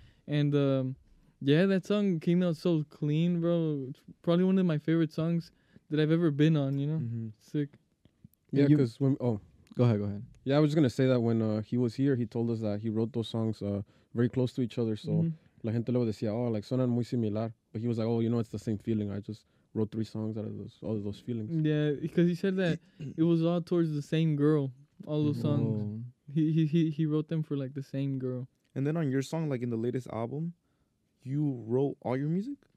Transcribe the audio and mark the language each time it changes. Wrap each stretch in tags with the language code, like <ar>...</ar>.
<en>And, yeah, that song came out so clean, bro. It's probably one of my favorite songs that I've ever been on, you know? Mm-hmm. Sick. Yeah, because when, Go ahead. Yeah, I was just going to say that when he was here, he told us that he wrote those songs very close to each other.</en> <es>So, la gente luego decía, oh, like, suenan muy similar.</es> <en>But he was like, oh, you know, it's the same feeling. I just wrote three songs out of those, all of those feelings. Yeah, because he said that it was all towards the same girl, all those songs. He wrote them for, like, the same girl. And then on your song, like, in the latest album, you wrote all your music?</en>